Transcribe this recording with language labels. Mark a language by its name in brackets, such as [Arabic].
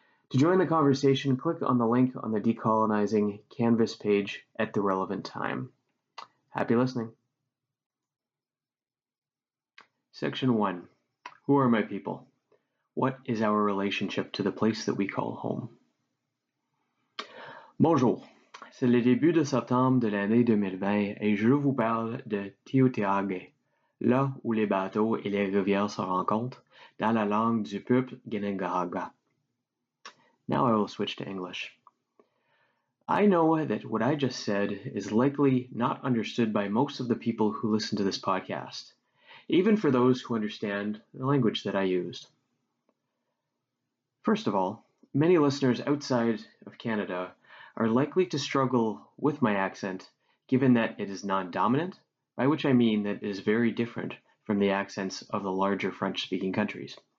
[English] To join the conversation, click on the link on the Decolonizing Canvas page at the relevant time. Happy listening. Section 1. Who are my people? What is our relationship to the place that we call home? [French] Bonjour, c'est le début de septembre de l'année 2020 et je vous parle de Teotihuacan, là où les bateaux et les rivières se rencontrent, dans la langue du peuple Ginnungagap. [English] Now I will switch to English. I know that what I just said is likely not understood by most of the people who listen to this podcast, even for those who understand the language that I used. First of all, many listeners outside of Canada are likely to struggle with my accent, given that it is non-dominant, by which I mean that it is very different from the accents of the larger French-speaking countries.